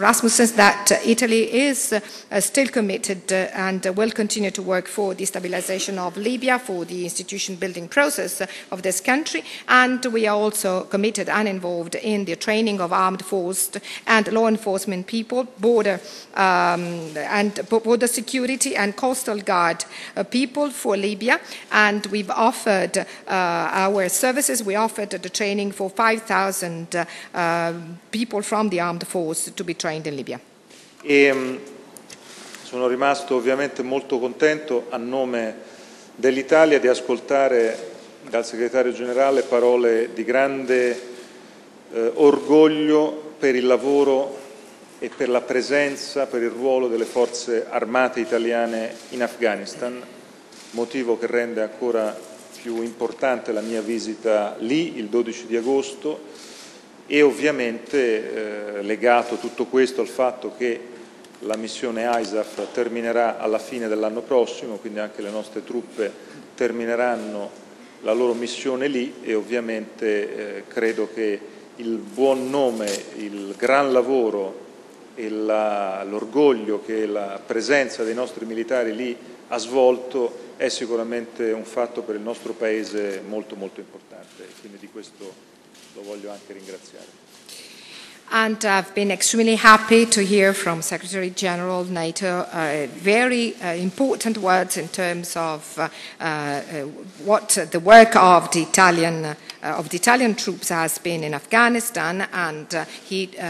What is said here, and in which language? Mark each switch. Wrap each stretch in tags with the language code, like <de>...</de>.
<en>Rasmussen, that Italy is still committed and will continue to work for the stabilization of Libya, for the institution building process of this country, and we are also committed and involved in the training of armed forces and law enforcement people, border and border security and coastal guard people for Libya, and we've offered our services, we offered the training for 5,000 people from the armed force to be trained in Libya.</en> <it>E sono rimasto ovviamente molto contento a nome dell'Italia di ascoltare dal segretario generale parole di grande orgoglio per il lavoro e per la presenza, per il ruolo delle forze armate italiane in Afghanistan, motivo che rende ancora più importante la mia visita lì il 12 di agosto, e ovviamente legato tutto questo al fatto che la missione ISAF terminerà alla fine dell'anno prossimo, quindi anche le nostre truppe termineranno la loro missione lì, e ovviamente credo che il buon nome, il gran lavoro e l'orgoglio che la presenza dei nostri militari lì ha svolto è sicuramente un fatto per il nostro paese molto molto importante, quindi di questo lo voglio anche ringraziare.</it> <en>And I've been extremely happy to hear from Secretary General NATO very important words in terms of what the work of the Italian troops has been in Afghanistan, and he</en>